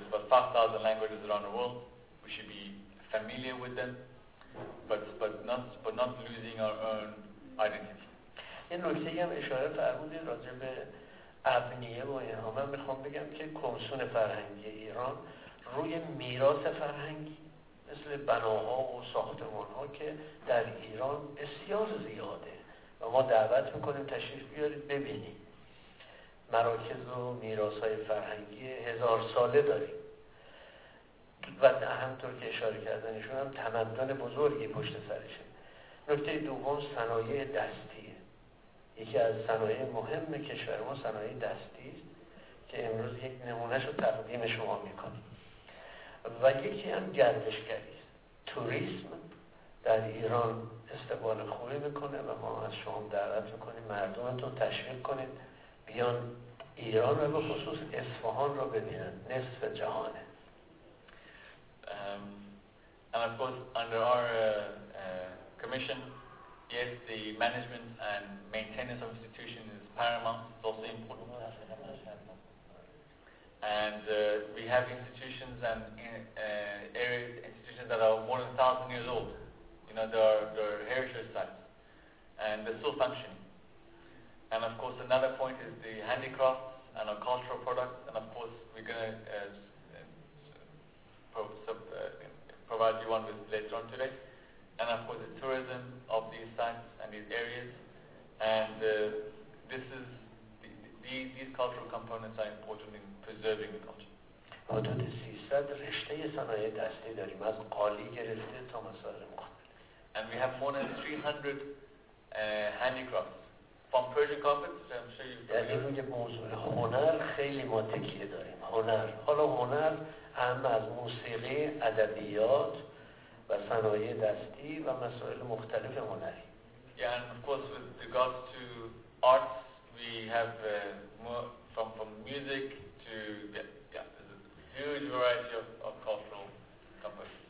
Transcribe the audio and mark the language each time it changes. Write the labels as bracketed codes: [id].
[en] There's about 5,000 languages around the world. We should be familiar with them, but not losing our own identity. [fa] این نکته‌ای هم اشاره فرمودید راجع به ابنیه و اینها. من میخوام بگم که کمیسیون فرهنگی ایران روی میراث فرهنگی مثل بناها و ساختمانها که در ایران بسیار زیاده و ما دعوت میکنیم تشریف بیارید ببینید مراکز و میراث‌های فرهنگی 1000 ساله داریم و همطور که اشاره کردنشون هم تمدن بزرگی پشت سرشه. نکته دوم صنایع دستی. یکی از صنایع مهم کشور ما صنایع دستی است که امروز یک نمونهش رو تقدیم شما میکنیم و یکی هم گردشگری است. توریسم در ایران استقبال خوبی میکنه و ما از شما دعوت میکنیم مردمتون تشویق کنید بیان ایران و به خصوص اصفهان رو ببینن. نصف جهانه. [en] And of course under our commission, yes, the management and maintenance of institutions is paramount. It's also important. And we have institutions and areas, institutions that are more than 1,000 years old. You know, they're heritage sites. And they're still functioning. And of course, another point is the handicrafts and our cultural products. And of course, we're going to provide you one with later on today. And of course, the tourism of these sites and these areas, and these cultural components are important in preserving the culture. [fa] حدود 300 رشته صنایع دستی داریم از قالی گرفته تا مسائل مختلف. [en] And we have more than 300 handicrafts from Persian carpets. I'm sure you've heard. [fa] یعنی روی موضوع هنر خیلی ما تکیه داریم. هنر. حالا هنر هم از موسیقی، ادبیات و صنایع دستی و مسائل مختلف هنری. [en] Yeah, and of course with regards to arts, we have more from music to there's a huge variety of cultural components.